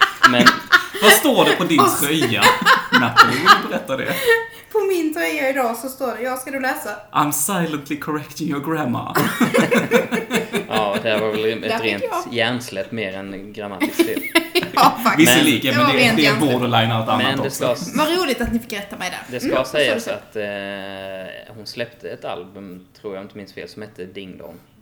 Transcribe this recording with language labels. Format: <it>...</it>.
<sv>Men vad står det på din tröja? Natalie, vill du berätta det? På min tröja idag så står det, jag ska du läsa.</sv> <en>I'm silently correcting your grammar.</en> <sv>Ja, det var väl ett rent hjärnsläpp mer än grammatiskt fel. Ja, visserligen, men det är borderline och annat också. Ska, vad roligt att ni fick rätta mig där. Det ska sägas att hon släppte ett album, tror jag inte minns fel, som hette Ding Dong.</sv>